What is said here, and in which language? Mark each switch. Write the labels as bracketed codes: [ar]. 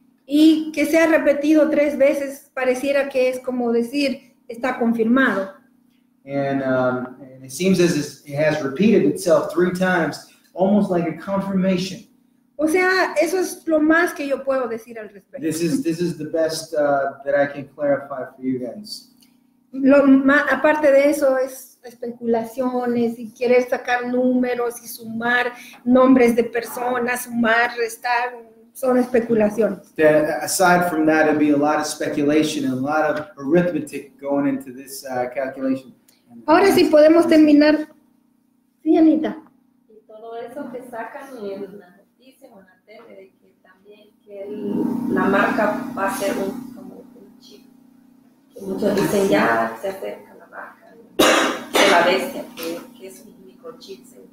[es] Y que sea repetido 3 veces pareciera que es como decir está confirmado. [en] And it seems as it has repeated itself 3 times. Almost like a confirmation. [es] O sea, eso es lo más que yo puedo decir al respecto. [en] This is the best that I can clarify for you guys. [es] Aparte de eso es especulaciones y querer sacar números y sumar nombres de personas, sumar, restar, son especulaciones. [en] Aside from that, it'd be a lot of speculation and a lot of arithmetic going into this calculation. [es] Ahora sí podemos terminar. Sí, Anita. Eso que sacan en la noticia o en la tele de que también que la marca va a ser un chip Muchos dicen ya se acerca la marca, ¿no? La bestia, que es un microchip.